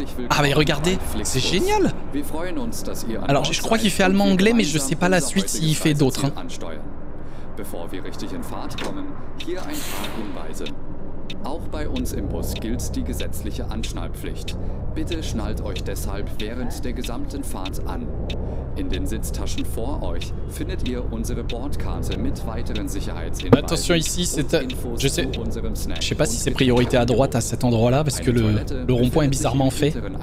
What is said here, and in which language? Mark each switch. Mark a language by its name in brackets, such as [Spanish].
[French] Ah mais regardez, c'est génial. Alors je crois qu'il fait allemand-anglais, mais je sais pas la suite s'il fait d'autres. Hein. [German] Bevor wir richtig in Fahrt kommen, hier ein paar Hinweise. Auch bei uns im Bus gilt die gesetzliche Anschnallpflicht. Bitte schnallt euch deshalb während der gesamten Fahrt an. In den Sitztaschen vor euch findet ihr unsere Bordkarte mit weiteren Sicherheitshinweisen. [French] Attention ici, c'est je sais pas si c'est priorité à droite à cet endroit-là parce que le rond-point est bizarrement fait.